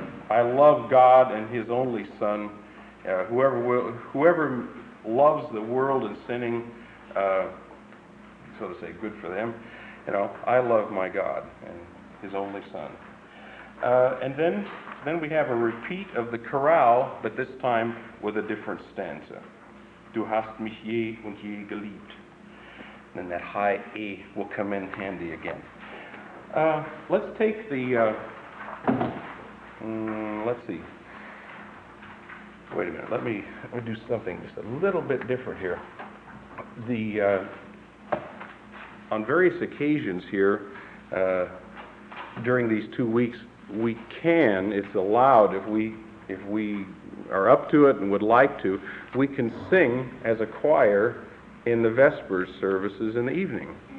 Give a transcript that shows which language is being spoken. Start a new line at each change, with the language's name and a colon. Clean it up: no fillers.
English: I love God and His only Son. Whoever loves the world and sinning, so to say, good for them. You know, I love my God and His only Son. And then we have a repeat of the chorale, but this time with a different stanza.
German: Du hast mich je und je geliebt.
English: And then that high E will come in handy again. Let's take the, let's see. Wait a minute, let me do something just a little bit different here. The, on various occasions here, during these 2 weeks, we can, it's allowed, if we are up to it and would like to, we can sing as a choir in the Vespers services in the evening.